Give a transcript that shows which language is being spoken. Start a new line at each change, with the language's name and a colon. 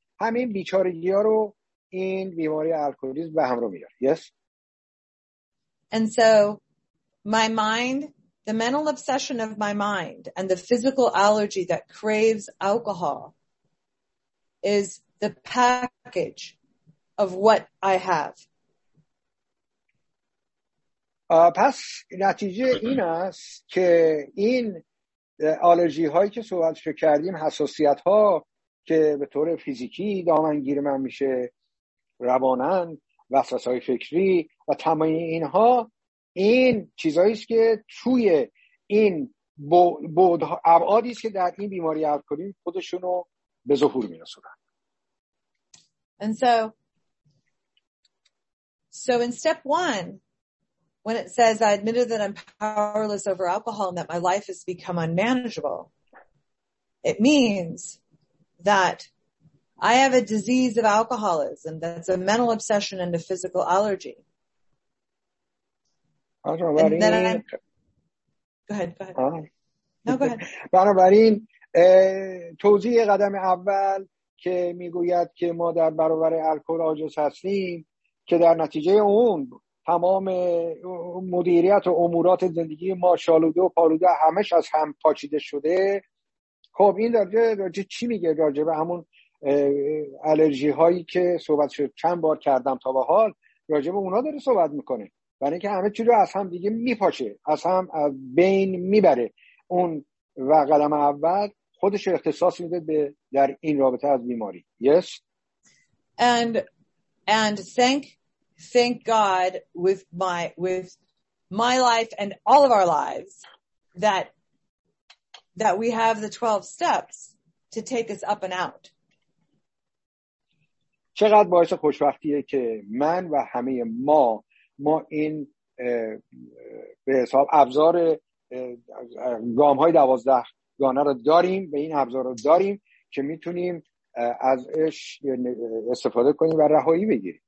Persian: همین بیچارگی ها رو این بیماری الکلیسم به همراه میاره.
English: Yes. And so my mind, the mental obsession of my mind and the physical allergy that craves alcohol is the package of what I have.
Persian: پس نتیجه این است که این آلرژی هایی که صحبتش کردیم، حساسیت ها که به طور فیزیکی دامنگیر من میشه، روانن، وسواس های فکری و تمامی اینها، این چیزایی است که توی این بُعد ابعادی است که در این بیماری الکلیسم خودشون رو به ظهور میرسونن.
English: And so in step one, when it says I admitted that I'm powerless over alcohol and that my life has become unmanageable, it means that I have a disease of alcoholism that's a mental obsession and a physical allergy.
Persian: که در نتیجه اون تمام مدیریت و امورات زندگی ما شالوده و پالوده، همش از هم پاچیده شده. خب این راجعه چی میگه؟ راجعه به همون الرژی هایی که صحبت شد چند بار کردم تا به حال، راجعه به اونا داره صحبت میکنه. برای اینکه همه چی رو از هم دیگه میپاچه، از هم بین میبره. اون و قلم اول خودش رو اختصاص میده به در این رابطه از بیماری.
English: Yes. And thank God with my life and all of our lives that that we have the 12 steps to take us up and out.
Persian: چقدر باعث خوشبختیه که من و همه ما این به حساب ابزار گام های 12 گانه رو داریم، به این ابزار رو داریم که میتونیم ازش استفاده کنیم و رهایی بگیریم.